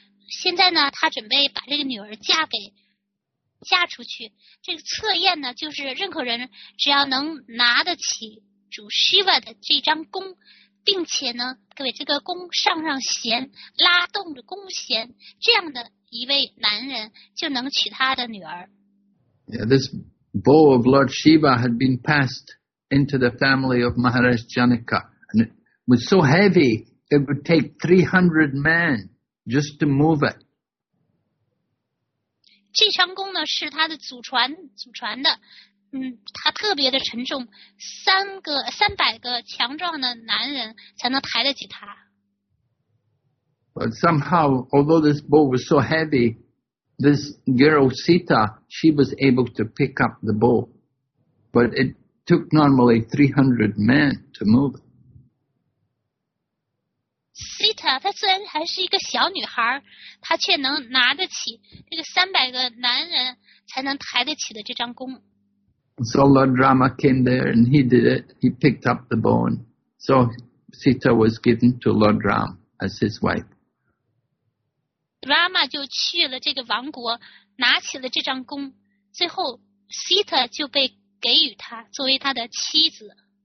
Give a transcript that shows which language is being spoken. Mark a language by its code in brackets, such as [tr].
[zh] 现在呢，他准备把这个女儿嫁出去。这个测验呢，就是任何人只要能拿得起主 Shiva 的这张弓，并且呢，各位这个弓上弦，拉动着弓弦，这样的。一位男人就能娶他的女儿。 [en] Yeah, this bow of Lord Shiva had been passed into the family of Maharaj Janaka, and it was so heavy it would take 300 men just to move it. [zh] 这张弓呢是他的祖传的，它特别的沉重，三百个强壮的男人才能抬得起它。 [en] But somehow, although this bow was so heavy, this girl Sita, she was able to pick up the bow. But it took normally 300 men to move. [zh] Sita, 她虽然还是一个小女孩，她却能拿得起这个300个男人才能抬得起的这张弓。 [en] So Lord Rama came there and he did it. He picked up the bow. So Sita was given to Lord Rama as his wife. [zh] Rama 就去了这个王国，拿起了这张弓，最后 Sita 就被给予他作为他的妻子。